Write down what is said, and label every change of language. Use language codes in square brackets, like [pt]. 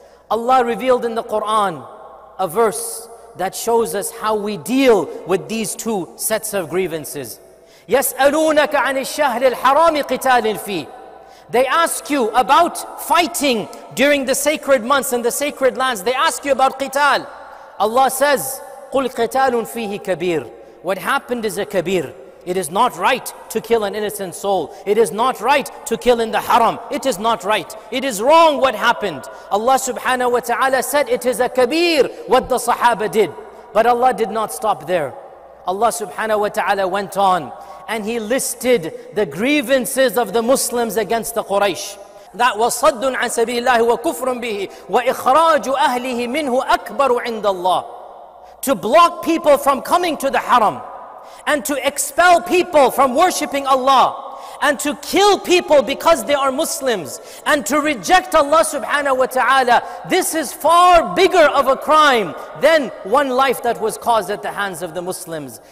[en] Allah revealed in the Quran a verse that shows us how we deal with these two sets of grievances. [ar] يَسْأَلُونَكَ عَنِ الشَّهْرِ الْحَرَامِ قِتَالٍ فِيهِ. [en] They ask you about fighting during the sacred months and the sacred lands. They ask you about qital. Allah says, [ar] قُلْ قِتَالٌ فِيهِ كَبِيرٌ. [en] What happened is a kabir. It is not right to kill an innocent soul. It is not right to kill in the haram. It is not right. It is wrong what happened. Allah subhanahu wa ta'ala said it is a kabir what the sahaba did. But Allah did not stop there. Allah subhanahu wa ta'ala went on and he listed the grievances of the Muslims against the Quraysh. That was [ar] صَدٌ عَن سَبِيلِ اللَّهِ وَكُفْرٌ بِهِ وَإِخْرَاجُ أَهْلِهِ مِنْهُ أَكْبَرُ عِنْدَ اللَّهِ. [en] To block people from coming to the haram and to expel people from worshipping Allah and to kill people because they are Muslims and to reject Allah subhanahu wa ta'ala, this is far bigger of a crime than one life that was caused at the hands of the Muslims.